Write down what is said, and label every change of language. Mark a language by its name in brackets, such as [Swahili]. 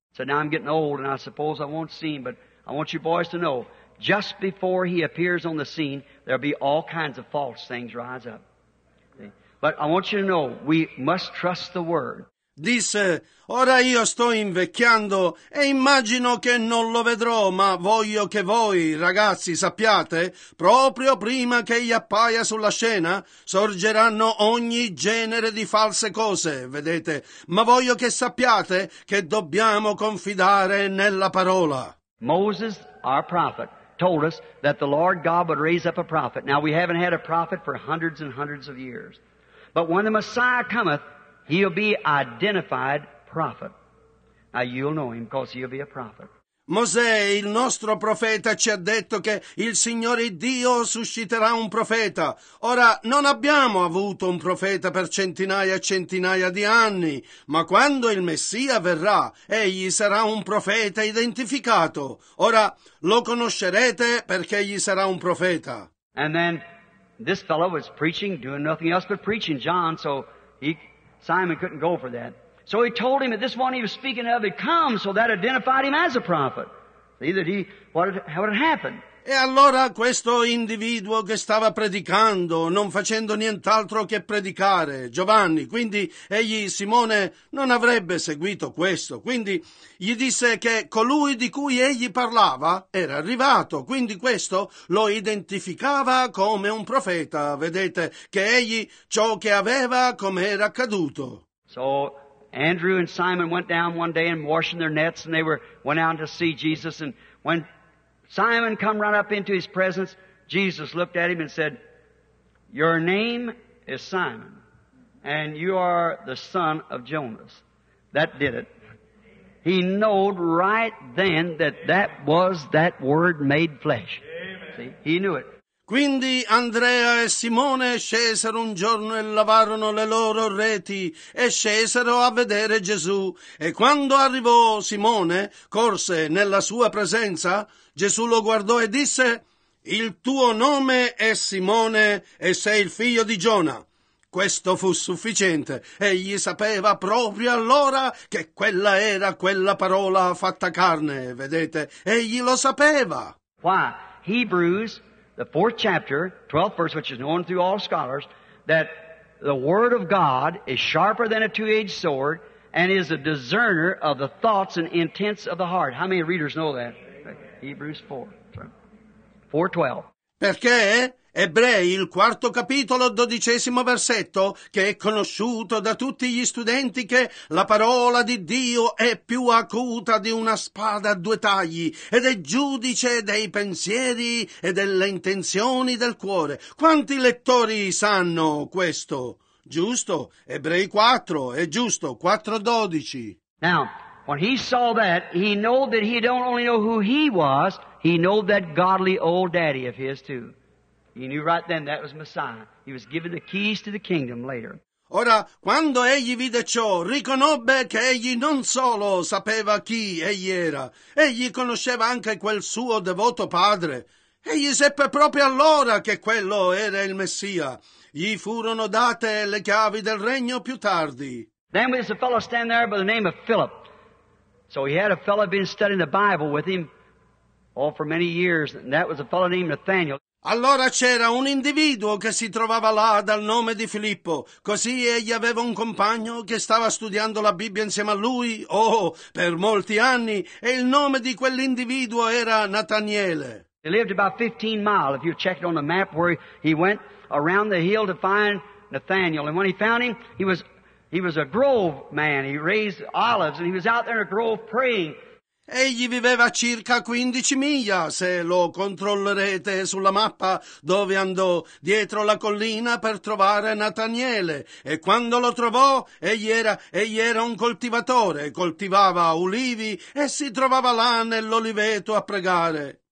[English] So now I'm getting old and I suppose I won't see him, but I want you boys to know, just before he appears on the scene, there'll be all kinds of false things rise up. But I want you to know, we must trust the word. [Italian] Disse, ora io sto invecchiando e immagino che non lo vedrò, ma voglio che voi, ragazzi, sappiate, proprio prima che egli appaia sulla scena, sorgeranno ogni genere di false cose, vedete, ma voglio che sappiate che dobbiamo confidare nella parola. [English] Moses, our prophet, told us that the Lord God would raise up a prophet. Now, we haven't had a prophet for hundreds and hundreds of years. But when the Messiah cometh, he'll be identified prophet. Now you'll know him because he'll be a prophet. [Italian] Mosè, il nostro profeta, ci ha detto che il Signore Dio susciterà un profeta. Ora, non abbiamo avuto un profeta per centinaia e centinaia di anni, ma quando il Messia verrà, egli sarà un profeta identificato. Ora, lo conoscerete perché egli sarà un profeta. [English] And then, this fellow was preaching, doing nothing else but preaching John, so he... Simon couldn't go for that. So he told him that this one he was speaking of had come, so that identified him as a prophet. See that he, what had happened. [Italian] E allora questo individuo che stava predicando, non facendo nient'altro che predicare, Giovanni, quindi egli, Simone, non avrebbe seguito questo. Quindi gli disse che colui di cui egli parlava era arrivato, quindi questo lo identificava come un profeta. Vedete che egli ciò che aveva come era accaduto. [English] So Andrew and Simon went down one day and washing their nets and they went out to see Jesus and went... Simon come right up into his presence. Jesus looked at him and said, your name is Simon, and you are the son of Jonas. That did it. He knowed right then that that was that word made flesh. See, he knew it. [Italian] Quindi Andrea e Simone scesero un giorno e lavarono le loro reti e scesero a vedere Gesù. E quando arrivò Simone, corse nella sua presenza, Gesù lo guardò e disse, «Il tuo nome è Simone e sei il figlio di Giona. Questo fu sufficiente. Egli sapeva proprio allora che quella era quella parola fatta carne. Vedete, egli lo sapeva. [English] Why? Hebrews, the fourth chapter, 12th verse, which is known through all scholars, that the word of God is sharper than a two-edged sword and is a discerner of the thoughts and intents of the heart. How many readers know that? Hebrews 4:12. [Italian] Perché? Ebrei, il quarto capitolo, dodicesimo versetto, che è conosciuto da tutti gli studenti che la parola di Dio è più acuta di una spada a due tagli ed è giudice dei pensieri e delle intenzioni del cuore. Quanti lettori sanno questo? Giusto? Ebrei 4, è giusto, 4:12. [English] Now, when he saw that, he knew that he don't only know who he was, he knew that godly old daddy of his too. He knew right then that was Messiah. He was given the keys to the kingdom later. [Italian] Ora, quando egli vide ciò, riconobbe che egli non solo sapeva chi egli era, egli conosceva anche quel suo devoto padre. Egli seppe proprio allora che quello era il Messia. Gli furono date le chiavi del regno più tardi. [English] Then there was a fellow standing there by the name of Philip. So he had a fellow been studying the Bible with him all for many years, and that was a fellow named Nathaniel. [Italian] Allora c'era un individuo che si trovava là dal nome di Filippo. Così egli aveva un compagno che stava studiando la Bibbia insieme a lui, oh, per molti anni, e il nome di quell'individuo era Nataniele. [English] He lived about 15 miles, if you check it on the map, where he went around the hill to find Nathaniel. And when he found him, he was a grove man. He raised olives and he was out there in a grove praying. [Italian] Egli viveva circa 15 miglia, se lo controllerete sulla mappa, dove andò dietro la collina per trovare Nataniele. E quando lo trovò, egli era un coltivatore, coltivava ulivi e si trovava là nell'oliveto a pregare.